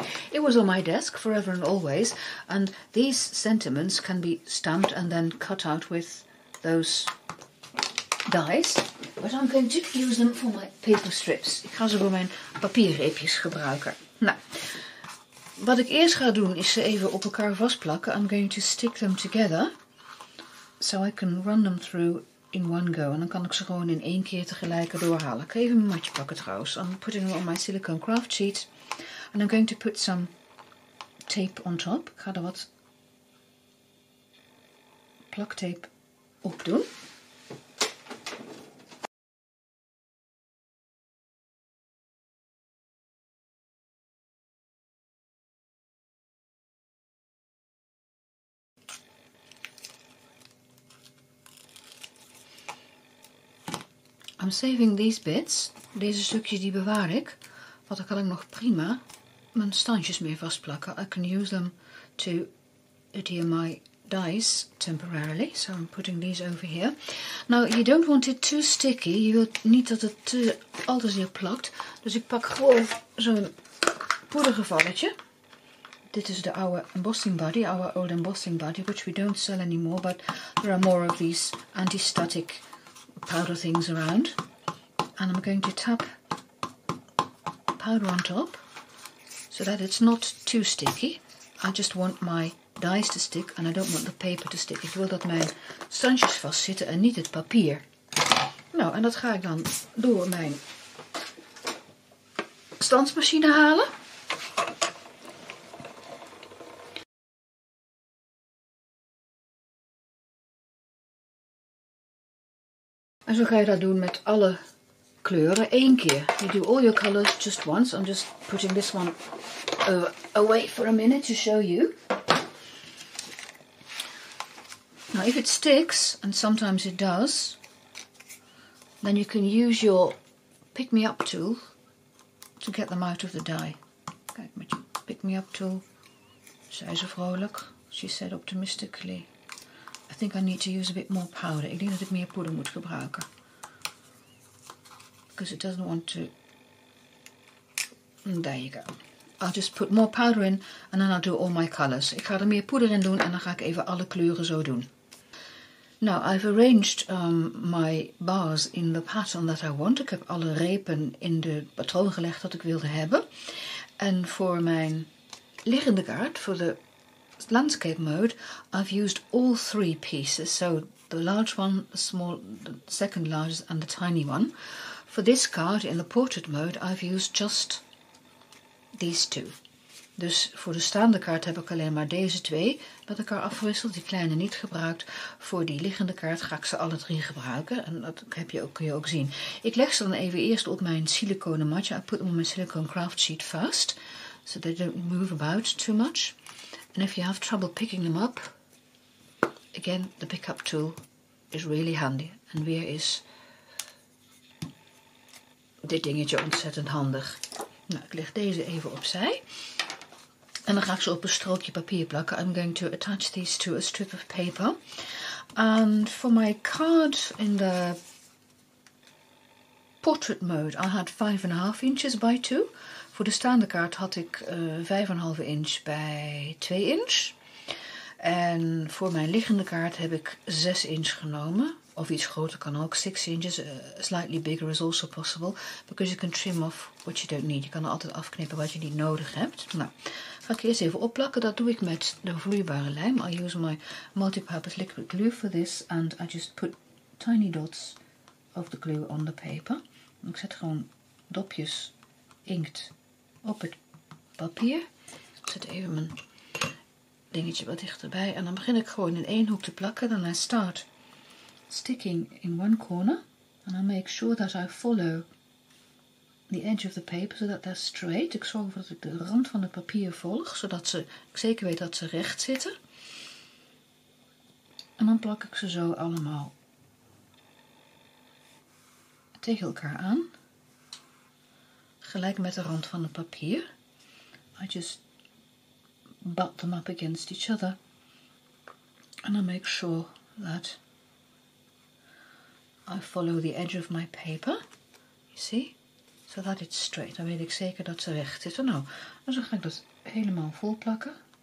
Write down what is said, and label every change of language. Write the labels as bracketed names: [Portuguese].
[English] It was on my desk forever and always, and these sentiments can be stamped and then cut out with those dies. But I'm going to use them for my paper strips. [Dutch] Ik ga ze voor mijn papierreepjes gebruiken. Nou, wat ik eerst ga doen is ze even op elkaar vastplakken. [English] I'm going to stick them together so I can run them through in one go. [Dutch] En dan kan ik ze gewoon in één keer tegelijk doorhalen. Ik ga even mijn matje pakken trouwens. [English] I'm putting them on my silicone craft sheet. And I'm going to put some tape on top. [Dutch] Ik ga er wat plaktape op doen. [English] I'm saving these bits. [Dutch] Deze stukjes die bewaar ik. Want dan kan ik nog prima mijn standjes mee vastplakken. [English] I can use them to adhere my dies temporarily. So I'm putting these over here. Now, you don't want it too sticky. [Dutch] Je wilt niet dat het te al te zeer plakt. Dus ik pak gewoon zo'n poedergevalletje. Dit is de oude embossing buddy, [English] our old embossing buddy, which we don't sell anymore. But there are more of these anti-static powder things around. And I'm going to tap powder on top, so that it's not too sticky. I just want my dies to stick and I don't want the paper to stick. [Dutch] Ik wil dat mijn standjes vastzitten en niet het papier. Nou, en dat ga ik dan door mijn stansmachine halen. En zo ga je dat doen met alle kleuren één keer. [English] You do all your colors just once. I'm just putting this one away for a minute to show you. Now, if it sticks, and sometimes it does, then you can use your pick-me-up tool to get them out of the dye. [Dutch] Kijk met je pick-me-up tool. Zij is vrolijk. [English] She said optimistically. I think I need to use a bit more powder. [Dutch] Ik denk dat ik meer poeder moet gebruiken. [English] Because it doesn't want to... And there you go. I'll just put more powder in and then I'll do all my colors. [Dutch] Ik ga er meer poeder in doen en dan ga ik even alle kleuren zo doen. [English] Now, I've arranged my bars in the pattern that I want. [Dutch] Ik heb alle repen in de patroon gelegd dat ik wilde hebben. En voor mijn liggende kaart, voor de landscape mode, [English] I've used all three pieces. So, the large one, the small, the second largest and the tiny one. For this card, in the portrait mode, I've used just these two. [Dutch] Dus voor de staande kaart heb ik alleen maar deze twee met elkaar afgewisseld, die kleine niet gebruikt. Voor die liggende kaart ga ik ze alle drie gebruiken en dat kun je ook zien. Ik leg ze dan even eerst op mijn siliconen matje. [English] I put them on my silicone craft sheet first, so they don't move about too much. And if you have trouble picking them up, again, the pick-up tool is really handy. [Dutch] En weer is dit dingetje ontzettend handig. Nou, ik leg deze even opzij. En dan ga ik ze op een strookje papier plakken. [English] I'm going to attach these to a strip of paper. And for my card in the portrait mode, I had 5.5 inches by 2. [Dutch] Voor de staande kaart had ik 5,5 inch bij 2 inch. En voor mijn liggende kaart heb ik 6 inch genomen. Of iets groter kan ook. [English] 6 inches, slightly bigger is also possible. Because you can trim off what you don't need. [Dutch] Je kan er altijd afknippen wat je niet nodig hebt. Nou, ga ik eerst even opplakken. Dat doe ik met de vloeibare lijm. [English] I use my multipurpose liquid glue for this. And I just put tiny dots of the glue on the paper. [Dutch] Ik zet gewoon dopjes inkt op het papier. Ik zet even mijn dingetje wat dichterbij. En dan begin ik gewoon in één hoek te plakken. Dan [English] I start sticking in one corner. And I make sure that I follow the edge of the paper, [Dutch] zodat [English] they're straight. [Dutch] Ik zorg dat ik de rand van het papier volg, zodat ze, ik zeker weet dat ze recht zitten. En dan plak ik ze zo allemaal tegen elkaar aan. Gelijk met de rand van het papier. [English] I just butt them up against each other. And I make sure that I follow the edge of my paper. You see? So that it's straight. [Dutch] Dan weet ik zeker dat ze recht zitten. Nou, en zo ga ik dat helemaal vol plakken.